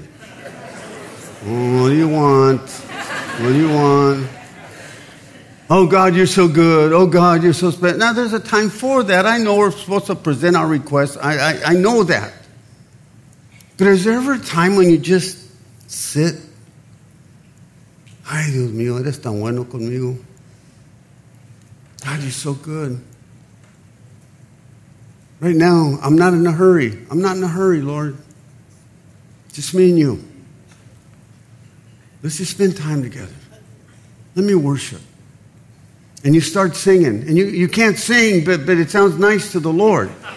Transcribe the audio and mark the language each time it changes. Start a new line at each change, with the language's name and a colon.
English: What do you want? What do you want? Oh, God, you're so good. Oh, God, you're so special. Now, there's a time for that. I know we're supposed to present our requests. I know that. But is there ever a time when you just sit?
Spanish: Ay, Dios mío, eres tan bueno conmigo.
English: God, you're so good. Right now, I'm not in a hurry. I'm not in a hurry, Lord. Just me and you. Let's just spend time together. Let me worship. And you start singing. And you can't sing, but it sounds nice to the Lord.